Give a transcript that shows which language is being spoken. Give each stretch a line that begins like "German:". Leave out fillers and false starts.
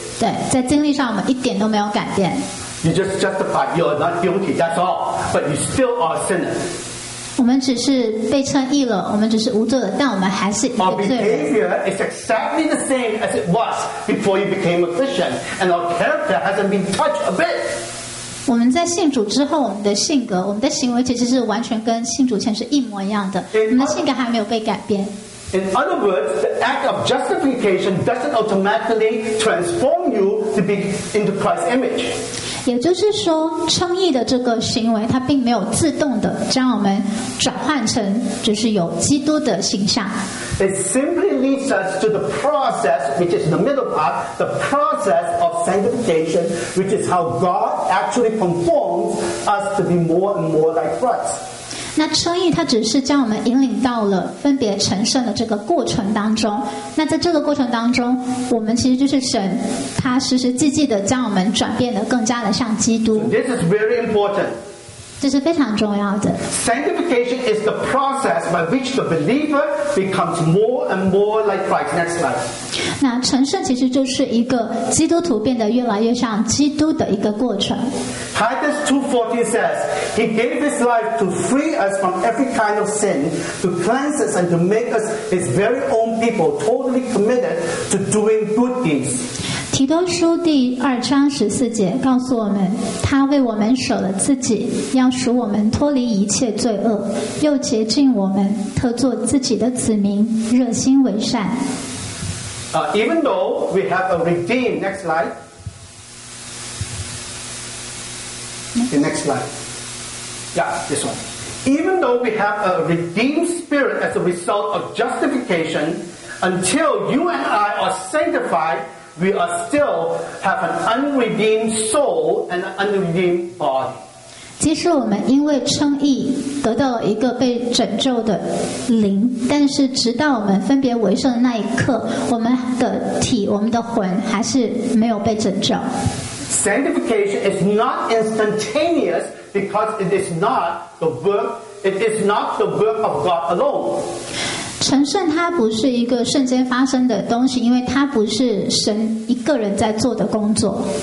Chinese: 对，在经历上我们一点都没有改变。
English: You just justified. You are not guilty. That's all. But you still are a sinner.
Chinese: 我们只是被称义了，我们只是无罪了，但我们还是一个罪人。
English: Our behavior is exactly the same as it was before you became a Christian, and our character hasn't been touched a bit.
Chinese: 我们在信主之后，我们的性格、我们的行为其实是完全跟信主前是一模一样的。我们的性格还没有被改变。
English: In other words, the act of justification doesn't automatically transform you to be into Christ's image.
Chinese: 也就是说，称义的这个行为，它并没有自动的将我们转换成就是有基督的形象。
English: It simply leads us to the process, which is the middle part, the process of sanctification, which is how God actually conforms us to be more and more like Christ.
Chinese: 那称义它只是将我们引领到了分别成圣的这个过程当中，那在这个过程当中，我们其实就是神他实实际际的将我们转变得更加的像基督。
English: This is very important.
Chinese: 这是非常重要的。
English: Sanctification is the process by which the believer becomes more and more like Christ. Next slide.
Chinese: 那成圣其实就是一个基督徒变得越来越像基督的一个过程。
English: Titus 2:14 says,He gave his life to free us from every kind of sin, to cleanse us and to make us his very own people, totally committed to doing good deeds.
Chinese: 提多书第二章十四节告诉我们，他为我们舍了自己，要使我们脱离一切罪恶，又洁净我们，特做自己的子民，热心为善。
English: Even though we have a redeemed, next slide. The next slide. Yeah, this one. Even though we have a redeemed spirit as a result of justification, until you and I are sanctified, we are still have an unredeemed soul and an unredeemed body.
Chinese: 即使我们因为称义得到了一个被拯救的灵，但是直到我们分别为圣的那一刻，我们的体、我们的魂还是没有被拯救。
English: Sanctification is not instantaneous because it is not the work of God alone.
Chinese: 成圣它不是一个瞬间发生的东西，因为它不是神一个人在做的工作。